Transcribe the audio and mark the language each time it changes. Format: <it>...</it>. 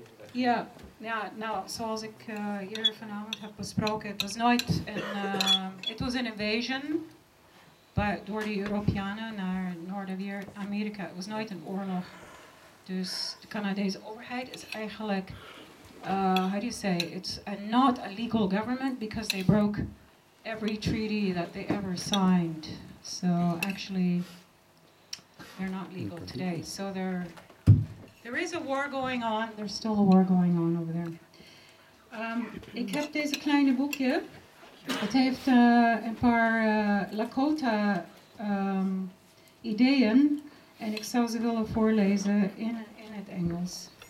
<nl>Ja, ja, nou, zoals ik hier vanavond heb besproken, het was nooit een, het was een invasion door de Europeanen naar Noord-Amerika. Het was nooit een oorlog. Dus de Canadese overheid is eigenlijk,</nl> <en>how do you say, it's not a legal government because they broke every treaty that they ever signed. So actually, they're not legal today. So they're... There is a war going on. There's still a war going on over there.</en> <nl>Ik heb deze kleine boekje. Het heeft een paar Lakota ideeën. En ik zou ze willen voorlezen in het Engels.</nl>